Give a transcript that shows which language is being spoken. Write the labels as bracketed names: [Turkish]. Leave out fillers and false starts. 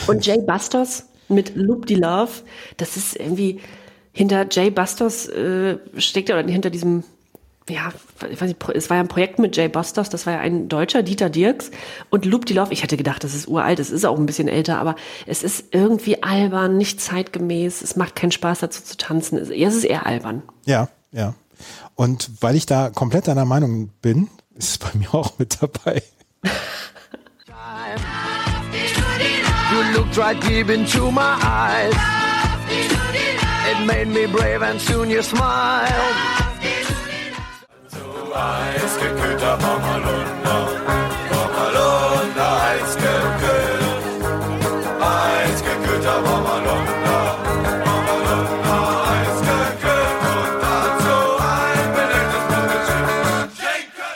[German] Und Jay Bastos mit Loop de Love, das ist irgendwie, hinter Jay Bastos steckt er, oder hinter diesem, ja, ich weiß nicht, es war ja ein Projekt mit Jay Bastos, das war ja ein Deutscher, Dieter Dierks, und Loop de Love, ich hätte gedacht, das ist uralt, es ist auch ein bisschen älter, aber es ist irgendwie albern, nicht zeitgemäß, es macht keinen Spaß dazu zu tanzen, es ist eher albern. Ja, ja. Und weil ich da komplett deiner Meinung bin, ist es bei mir auch mit dabei. [English] You looked right deep into my eyes. It made me brave and soon you smiled. [German] Eisgekühlter Bommelunder, Bommelunder, eisgekühlter Bommelunder, Bommelunder, eisgekühlt und dazu ein belegtes Bommelschiff.